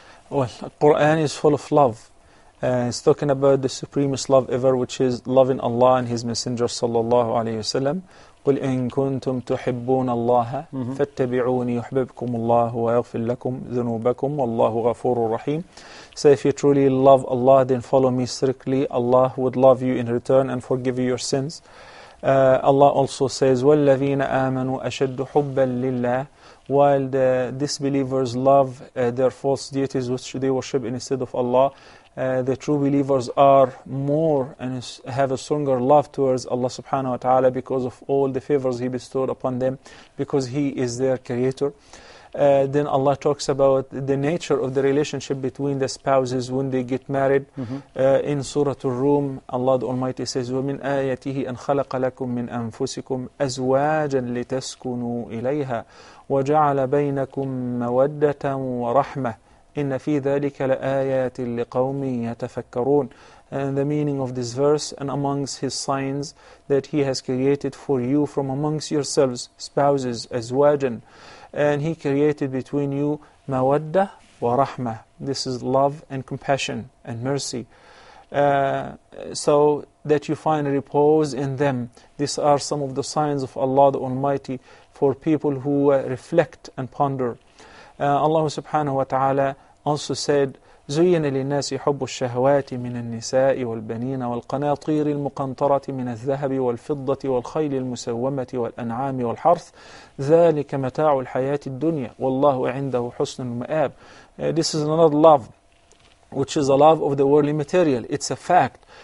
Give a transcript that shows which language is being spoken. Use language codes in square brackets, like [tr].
[en] Well, the Quran is full of love. It's talking about the supremest love ever, which is loving Allah and His Messenger sallallahu alayhi wa sallam. [ar] قُلْ إِن كُنْتُمْ تُحِبُّونَ اللَّهَ فَاتَّبِعُونِ يُحْبِبْكُمُ اللَّهُ وَيَغْفِرْ لَكُمْ ذُنُوبَكُمْ وَاللَّهُ غَفُورٌ رَحِيمٌ. [en] Say, if you truly love Allah, then follow me strictly. Allah would love you in return and forgive you your sins. Allah also says, [ar] وَالَّذِينَ آمَنُوا أَشَدُّ حُبًّا لِلَّهِ. [en] While the disbelievers love their false deities which they worship instead of Allah, the true believers are more and have a stronger love towards Allah subhanahu wa ta'ala because of all the favors He bestowed upon them, because He is their creator. Then Allah talks about the nature of the relationship between the spouses when they get married. In Surah Ar-Rum, Allah the Almighty says, [ar] وَمِنْ آيَتِهِ أَنْ خَلَقَ لَكُمْ مِنْ أَنفُسِكُمْ أَزْوَاجًا لِتَسْكُنُوا إِلَيْهَا وَجَعَلَ بَيْنَكُمْ مَوَدَّةً وَرَحْمَةً. إن في ذلك لآيات لقوم يتفكرون. [en] And the meaning of this verse, and amongst his signs that he has created for you from amongst yourselves, spouses, azwajan, and he created between you mawadda wa rahma. This is love and compassion and mercy. So that you find repose in them. These are some of the signs of Allah the Almighty for people who reflect and ponder. Allah subhanahu wa ta'ala also said, [ar] زُيِّنَ لِلنَّاسِ حُبُّ الشَّهَوَاتِ مِنَ النِّسَاءِ وَالْبَنِينَ وَالْقَنَاطِيرِ الْمُقَنْطَرَةِ مِنَ الذَّهَبِ وَالْفِضَّةِ وَالْخَيْلِ الْمُسَوَّمَةِ وَالْأَنْعَامِ وَالْحَرْثِ ذَلِكَ مَتَاعُ الْحَيَاةِ الدُّنْيَا وَاللَّهُ عِنْدَهُ حُسْنُ الْمَآبِ. [en] This is not love, which is a love of the worldly material. It's a fact.